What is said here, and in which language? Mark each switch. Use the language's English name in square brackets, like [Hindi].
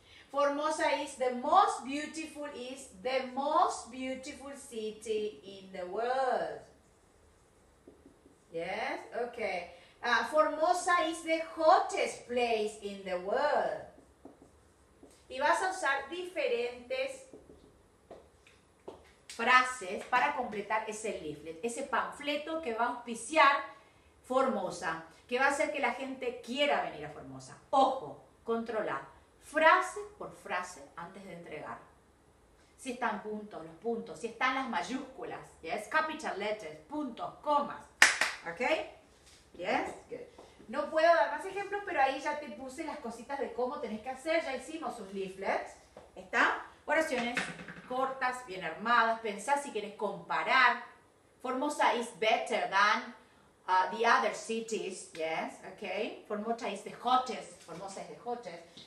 [English] Formosa is the most beautiful, is the most beautiful city in the world. Yes, okay. Formosa is the hottest place in the world. [Spanish] Y vas a usar diferentes frases para completar ese leaflet, ese panfleto que va a auspiciar Formosa, que va a hacer que la gente quiera venir a Formosa. Ojo, controla frase por frase antes de entregar. Si están juntos los puntos, si están las mayúsculas, [English] yes, capital letters, [Spanish] puntos, comas, ok, yes, good. No puedo dar más ejemplos, pero ahí ya te puse las cositas de cómo tenés que hacer, ya hicimos un leaflet, ¿está? Oraciones cortas, bien armadas, pensá si quieres comparar. [English] Formosa is better than the other cities, yes, ok, Formosa is the hottest, Formosa is the hottest.